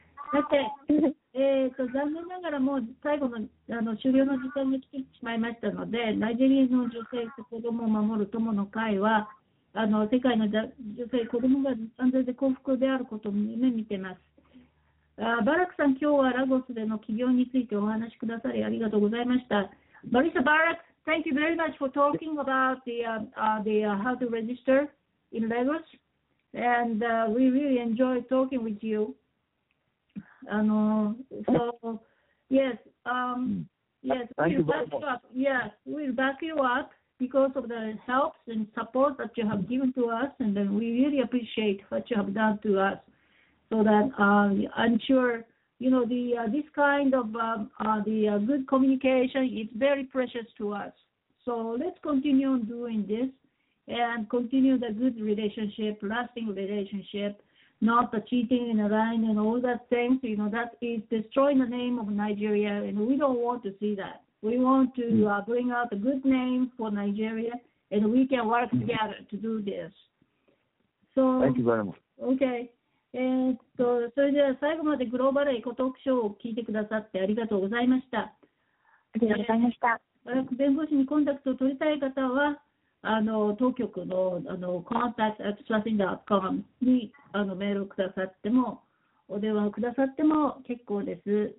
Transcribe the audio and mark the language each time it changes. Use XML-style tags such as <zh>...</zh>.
<ja>さて、残念ながらもう最後 の終了の時間に来てしまいましたので、ナイジェリアの女性と子どもを守る友の会は、世界の女性、子どもが安全で幸福であることを夢見てます。バラクさん、今日はラゴスでの起業についてお話しくださりありがとうございました。</ja> <en>Marisa Barak, thank you very much for talking about how to register in Lagos. And we really enjoyed talking with you. We'll back you up because of the help and support that you have given to us. And then we really appreciate what you have done to us. So that I'm sure, you know, this kind of good communication is very precious to us. So let's continue on doing this and continue the good relationship, lasting relationship, not the cheating and lying and all that things. You know, that is destroying the name of Nigeria, and we don't want to see that. We want to bring out a good name for Nigeria, and we can work together to do this. So thank you very much. Okay.</en> <ja>それでは最後までグローバルエコトークショーを聞いてくださってありがとうございました。ありがとうございました。バラク弁護士にコンタクトを取りたい方は当局の contact@swasinda.com にメールをくださってもお電話をくださっても結構です。</ja>